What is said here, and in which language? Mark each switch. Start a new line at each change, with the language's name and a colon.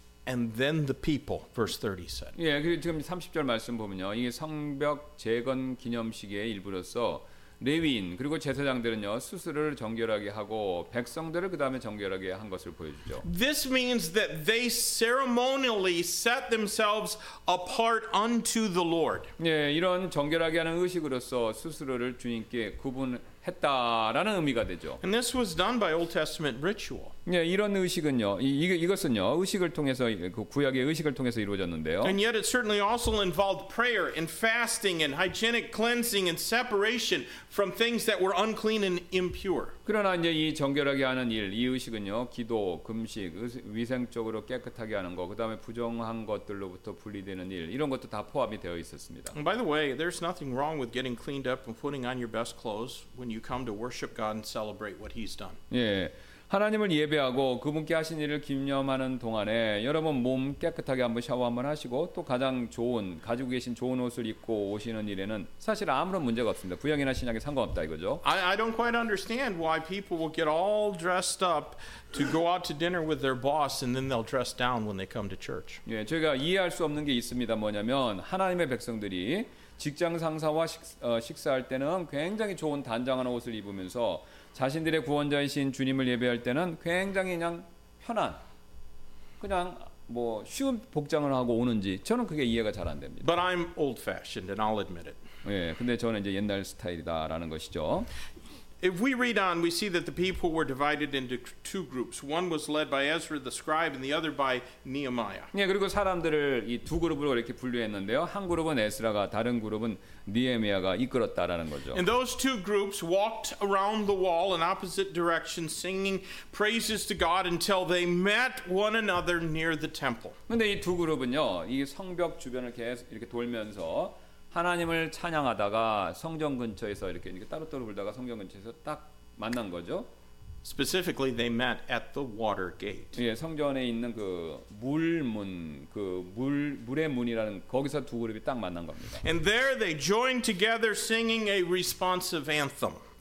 English: And then the people, verse 30 said.
Korean: 예, 그리고 지금 30절 말씀 보면요, 이게 성벽 재건 기념식의 일부로서 레위인 그리고 제사장들은요 스스로를 정결하게 하고 백성들을 그 다음에 정결하게 한 것을 보여주죠.
English: This means that they ceremonially set themselves apart unto the Lord.
Korean: 예, 이런 정결하게 하는 의식으로서 스스로를 주님께 구분 했다라는 의미가 되죠.
English: And this was done by Old Testament ritual.
Korean: 예, 이런 의식은요. 이것은요. 의식을 통해서 그 구약의 의식을 통해서 이루어졌는데요.
English: And yet it certainly also involved prayer and fasting and hygienic cleansing and separation from things that were unclean and impure.
Korean: 그러나 이제 이 정결하게 하는 일, 이 의식은요. 기도, 금식, 위생적으로 깨끗하게 하는 거, 그다음에 부정한 것들로부터 분리되는 일, 이런 것도 다 포함이 되어 있었습니다.
English: And by the way, there's nothing wrong with getting cleaned up and putting on your best clothes when you come to worship God and celebrate what he's done.
Korean: 예. 하나님을 예배하고 그분께 하신 일을 기념하는 동안에 여러분 몸 깨끗하게 한번 샤워 한번 하시고 또 가장 좋은 가지고 계신 좋은 옷을 입고 오시는 일에는 사실 아무런 문제가 없습니다. 구약이나 신약에 상관없다 이거죠.
English: I don't quite understand why people will get all dressed up to go out to dinner with their boss and then they'll dress down when they come to church.
Korean: 예, 제가 이해할 수 없는 게 있습니다. 뭐냐면 하나님의 백성들이 직장 상사와 식사할 때는 굉장히 좋은 단정한 옷을 입으면서 자신들의 구원자이신 주님을 예배할 때는 굉장히 그냥 편한 그냥 뭐 쉬운 복장을 하고 오는지 저는 그게 이해가 잘 안 됩니다.
English: But I'm old fashioned and I'll admit it.
Korean: 예, 근데 저는 이제 옛날 스타일이다라는 것이죠.
English: If we read on, we see that the people were divided into two groups. One was led by Ezra the scribe and the other by Nehemiah.
Korean: 예, 그리고 사람들을 이 두 그룹으로 이렇게 분류했는데요. 한 그룹은 에스라가 다른 그룹은 느헤미야가 이끌었다라는 거죠.
English: And those two groups walked around the wall in opposite directions singing praises to God until they met one another near the temple.
Korean: 근데 이 두 그룹은요. 이 성벽 주변을 계속 이렇게 돌면서 하나님을 찬양하다가 성전 근처에서 이렇게 따로따로 불다가 성전 근처에서 딱 만난 거죠.
English: Specifically, they met at the water gate.
Korean: 예, 성전에 있는 그 물문, 그 물의 문이라는 거기서 두 그룹이 딱 만난 겁니다.
English: And there they joined together singing a responsive anthem.